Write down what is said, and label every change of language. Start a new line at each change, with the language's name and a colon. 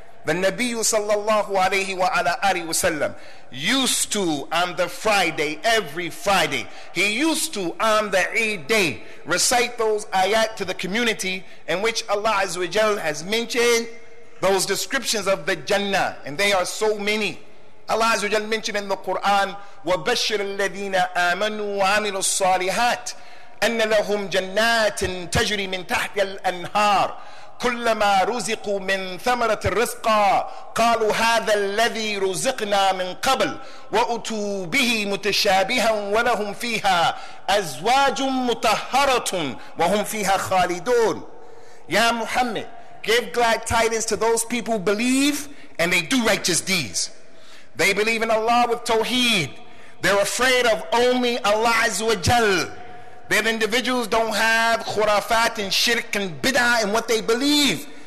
English: The Nabi sallallahu alayhi wa ala alihi wa sallam used to on the Friday, every Friday, he used to on the Eid day recite those ayat to the community in which Allah Azza wa Jal has mentioned those descriptions of the Jannah, and they are so many. Allah Azza wa Jal mentioned in the Quran,
Arabic: وَبَشِّرَ الَّذِينَ آمَنُوا وَعَمِلُوا الصَّالِحَاتِ أَنَّ لَهُمْ جَنَّاتٍ تَجْرِي مِنْ تَحْتِيَ الْأَنْهَارِ كلما رزقوا من ثمرة الرزق قالوا هذا الذي رزقنا من قبل وأتوا به متشابها ولهم فيها أزواج مطهرة وهم فيها خالدون. يا محمد,
English: give glad tidings to those people who believe and they do righteous deeds. They believe in Allah with Tawheed. They're afraid of only Allah Azza wa Jal. Their individuals don't have khurafat and shirk and bid'ah in what they believe.